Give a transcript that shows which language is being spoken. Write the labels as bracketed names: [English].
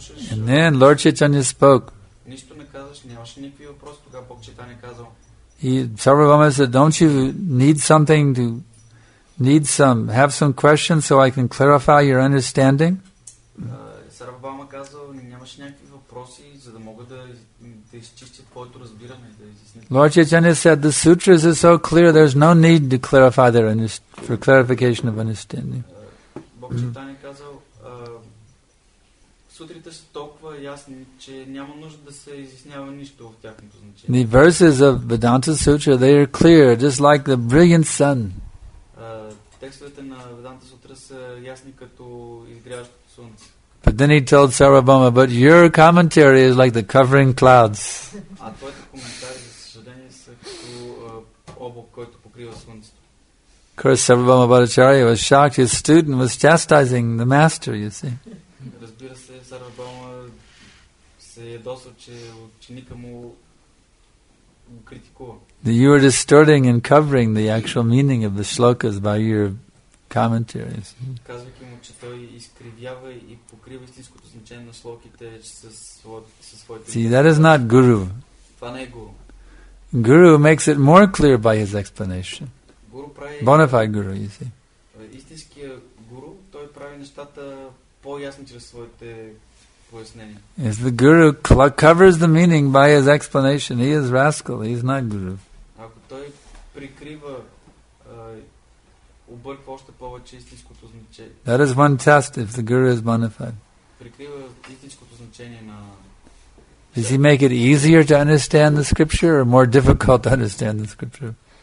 [English] And then Lord Chaitanya spoke. Sarvabhauma said, don't you need something to have some questions so I can clarify your understanding? [Bulgarian] Sarvabhauma казал, нямаш някакви въпроси, за да мога да изчистя твоето разбиране, да изясня. [English] Lord Chaitanya said, the sutras are so clear, there's no need to clarify their for clarification of understanding. [Bulgarian] Бог Чайтанья казал, сутрите са толкова ясни, че няма нужда да се изяснява нищо в тяхното значение. [English] The verses of Vedanta Sutra, they are clear, just like the brilliant sun. [Bulgarian] Текстовете на Веданта Сутра са ясни като изгряващото слънце. [English] But then he told Sarvabhauma, but your commentary is like the covering clouds. [Bulgarian] А твоите коментари, за съжаление, са като облак, който покрива слънцето. [English] Of course, Sarvabhauma Bhattacharya was shocked. His student was chastising the master, you see. [Bulgarian] Разбира се, Sarvabhauma се ядосва, че ученика му го критикува. [English] That you are distorting and covering the actual meaning of the shlokas by your commentaries. [Bulgarian] Казвайки му, че той изкривява и покрива истинското значение на шлоките със своите. [English] See, that is not guru. [Bulgarian] Това не е guru. [English] Guru makes it more clear by his explanation. [Bulgarian] Guru прави. [English] Bonafide guru, you see. [Bulgarian] Истинския guru, той прави нещата по-ясни чрез своите. [English] Is the guru covers the meaning by his explanation. He is rascal. He is not guru. [Bulgarian] Ако той прикрива, обърква още повече истинското значение. [English] That is one test if the guru is bona fide. [Bulgarian] Прикрива истинското значение на. [English] Does he make it easier to understand the scripture or more difficult to understand the scripture?